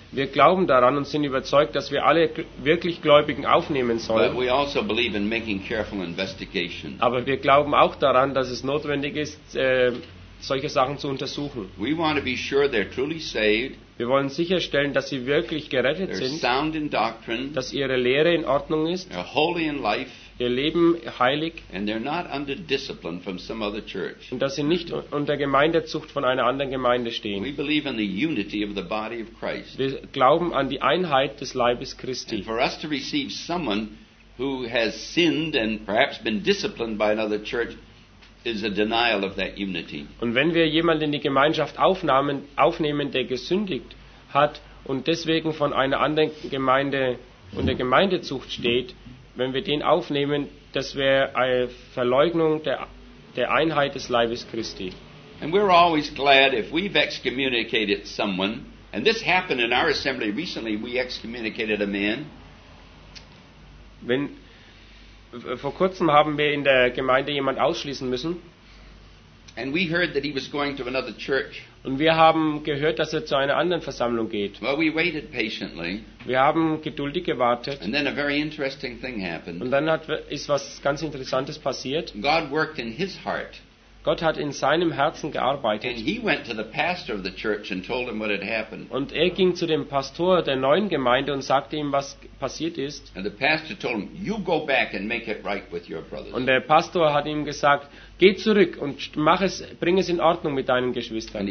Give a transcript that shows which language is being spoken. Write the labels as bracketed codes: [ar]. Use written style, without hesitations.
[de] Wir glauben daran und sind überzeugt, dass wir alle wirklich Gläubigen aufnehmen sollen. [en] But we also believe in making careful investigation. [de] Aber wir glauben auch daran, dass es notwendig ist, solche Sachen zu untersuchen. [en] We want to be sure they're truly saved. [de] Wir wollen sicherstellen, dass sie wirklich gerettet sind, [en] sound in doctrine, [de] dass ihre Lehre in Ordnung ist, [en] holy in life, [de] ihr Leben heilig, [en] and they're not under discipline from some other church. [de] Und dass sie nicht unter Gemeindezucht von einer anderen Gemeinde stehen. [en] We believe in the unity of the body of Christ. [de] Wir glauben an die Einheit des Leibes Christi. [en] And for us to receive someone who has sinned and perhaps been disciplined by another church is a denial of that unity. [de] Und wenn wir jemanden in die Gemeinschaft aufnehmen, der gesündigt hat und deswegen von einer anderen Gemeinde unter Gemeindezucht steht, wenn wir den aufnehmen, das wäre eine Verleugnung der Einheit des Leibes Christi. [en] And we're always glad if we've excommunicated someone, and this happened in our assembly recently, we excommunicated a man. [de] Vor kurzem haben wir in der Gemeinde jemand ausschließen müssen. [en] And we heard that he was going to another church. [de] Und wir haben gehört, dass er zu einer anderen Versammlung geht. [en] Well, we waited patiently. [de] Wir haben geduldig gewartet. [en] And then a very interesting thing happened. [de] Und dann ist was ganz Interessantes passiert. [en] God worked in his heart. [de] Gott hat in seinem Herzen gearbeitet. [en] And he went to the pastor of the church and told him what had happened. [de] Und er ging zu dem Pastor der neuen Gemeinde und sagte ihm, was passiert ist. [en] And the pastor told him, you go back and make it right with your brothers. [de] Und der Pastor hat ihm gesagt, geh zurück und bring es in Ordnung mit deinen Geschwistern.